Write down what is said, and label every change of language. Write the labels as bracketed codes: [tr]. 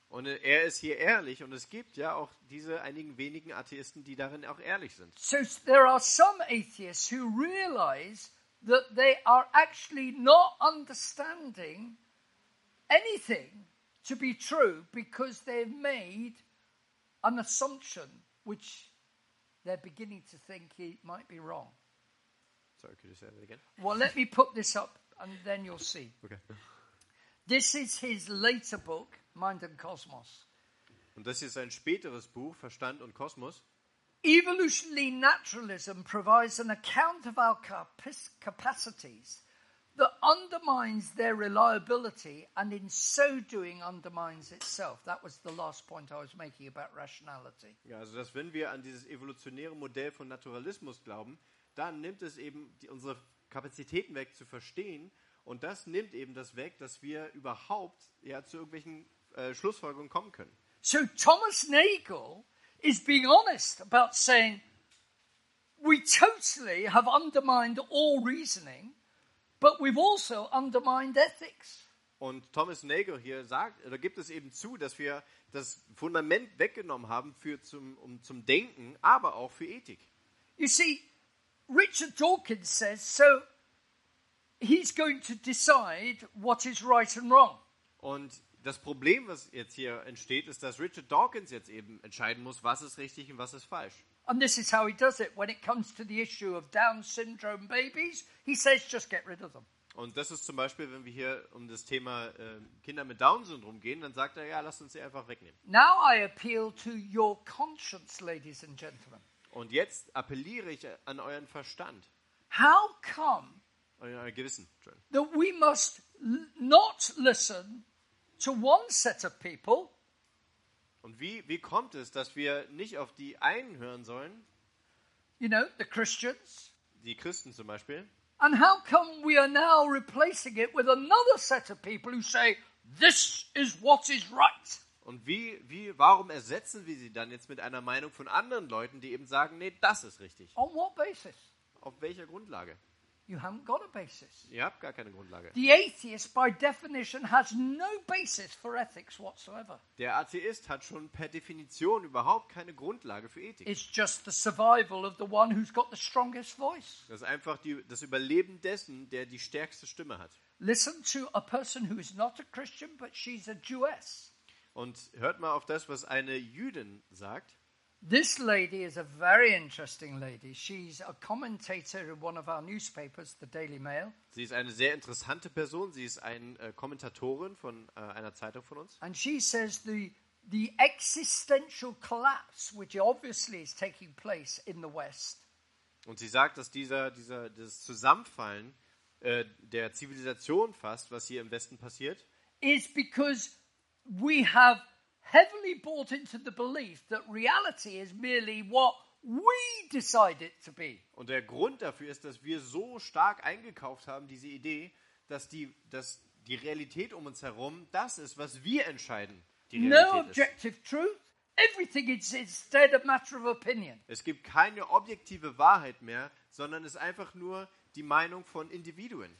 [de] Und er ist hier ehrlich und es gibt ja auch diese einigen wenigen Atheisten, die darin auch ehrlich sind. [en] So there are some atheists who realize that they are actually not understanding anything to be true because they've made an assumption which they're beginning to think it might be wrong. Sorry, could you say that again? Well, let me put this up and then you'll see. Okay. This is his later book, Mind and Cosmos. [de] Und das ist ein späteres Buch, Verstand und Kosmos. [en] Evolutionary naturalism provides an account of our capacities that undermines their reliability and in so doing undermines itself. That was the last point I was making about rationality. [de] Ja, also dass wenn wir an dieses evolutionäre Modell von Naturalismus glauben, dann nimmt es eben unsere Kapazitäten weg zu verstehen und das nimmt eben das weg, dass wir überhaupt ja zu irgendwelchen Schlussfolgerungen kommen können. [en] So Thomas Nagel is being honest about saying we totally have undermined all reasoning, but we've also undermined ethics. [de] Und Thomas Nagel hier sagt, oder gibt es eben zu, dass wir das Fundament weggenommen haben für zum Denken, aber auch für Ethik. [en] You see, Richard Dawkins says, so he's going to decide what is right and wrong. [de] Und das Problem, was jetzt hier entsteht, ist, dass Richard Dawkins jetzt eben entscheiden muss, was ist richtig und was ist falsch. [en] And this is how he does it when it comes to the issue of Down syndrome babies. He says, just get rid of them. [de] Und das ist zum Beispiel, wenn wir hier um das Thema Kinder mit Down-Syndrom gehen, dann sagt er, ja, lass uns sie einfach wegnehmen. [en] Now I appeal to your conscience, ladies and gentlemen. [de] Und jetzt appelliere ich an euren Verstand. [en] How come [de] euer Gewissen. [en] That we must not listen to one set of people. [de] Und wie kommt es, dass wir nicht auf die einen hören sollen? [en] You know, the Christians. [de] Die Christen zum Beispiel. [en] And how come we are now replacing it with another set of people who say, this is what is right? [de] Und warum ersetzen wir sie dann jetzt mit einer Meinung von anderen Leuten, die eben sagen, nee, das ist richtig? [en] On what basis? [de] Auf welcher Grundlage? [en] You haven't got a basis. [de] Ihr habt gar keine Grundlage. [en] The atheist by definition has no basis for ethics whatsoever. [de] Der Atheist hat schon per Definition überhaupt keine Grundlage für Ethik. [en] It's just the survival of the one who's got the strongest voice. [de] Das ist einfach das Überleben dessen, der die stärkste Stimme hat. [en] Listen to a person who is not a Christian, but she's a Jewess. [de] Und hört mal auf das, was eine Jüdin sagt. [en] This lady is a very interesting lady. She's a commentator in one of our newspapers, the Daily Mail. [de] Sie ist eine sehr interessante Person. Sie ist eine Kommentatorin von einer Zeitung von uns. [en] And she says the existential collapse, which obviously is taking place in the West. [de] Und sie sagt, dass dieses Zusammenfallen der Zivilisation fast, was hier im Westen passiert, [en] is because we have heavily bought into the belief that reality is merely what we decide it to be. [de] Und der Grund dafür ist, dass wir so stark eingekauft haben, diese Idee, dass die Realität um uns herum das ist, was wir entscheiden. [en] No objective truth. Everything is instead a matter of opinion. [de] Es gibt keine objektive Wahrheit mehr, sondern es ist einfach nur die Meinung von Individuen.